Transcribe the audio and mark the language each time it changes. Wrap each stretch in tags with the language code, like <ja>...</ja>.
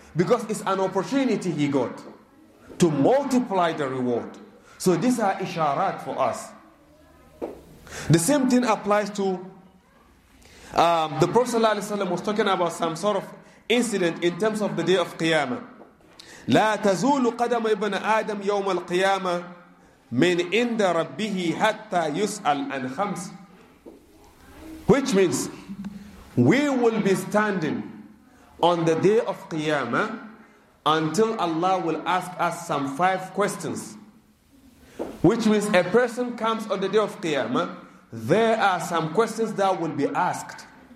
<en>Because it's an opportunity he got to multiply the reward. So these are isharat for us. The same thing applies to the Prophet sallallahu alayhi wa sallam was talking about some sort of incident in terms of the day of Qiyamah.</en> <ar>لا تزول قدم ابن آدم يوم القيامة من عند ربه حتى يسأل عن خمس.</ar> <en>Which means, we will be standing on the day of Qiyamah until Allah will ask us some 5 questions. Which means, a person comes on the day of Qiyamah, there are some questions that will be asked.</en>